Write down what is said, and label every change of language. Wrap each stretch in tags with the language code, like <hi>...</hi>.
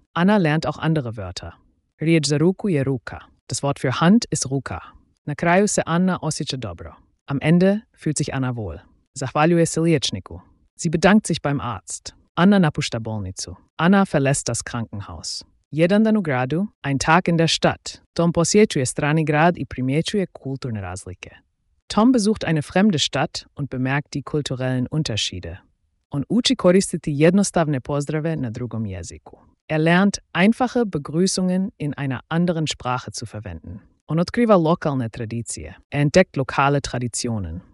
<de>Anna lernt auch andere Wörter.</de> <hr>Riječ za ruku je ruka.</hr> <de>Das Wort für Hand ist ruka.</de> <hr>Na kraju se Anna osjeća dobro.</hr> <de>Am Ende fühlt sich Anna wohl.</de> <hr>Zahvaljuje se liječniku.</hr> <de>Sie bedankt sich beim Arzt.</de> <hr>Anna napušta bolnicu.</hr> <de>Anna verlässt das Krankenhaus.</de> <hr>Jedan dan u gradu,</hr> <de>ein Tag in der Stadt.</de> <hr>Tom posjećuje strani grad i primjećuje kulturne razlike.</hr> <de>Tom besucht eine fremde Stadt und bemerkt die kulturellen Unterschiede.</de> <hr>On uči koristiti jednostavne pozdrave na drugom jeziku.</hr> <de>Er lernt, einfache Begrüßungen in einer anderen Sprache zu verwenden.</de> <hr>On otkriva lokalne tradicije.</hr> <de>Er entdeckt lokale Traditionen.</de>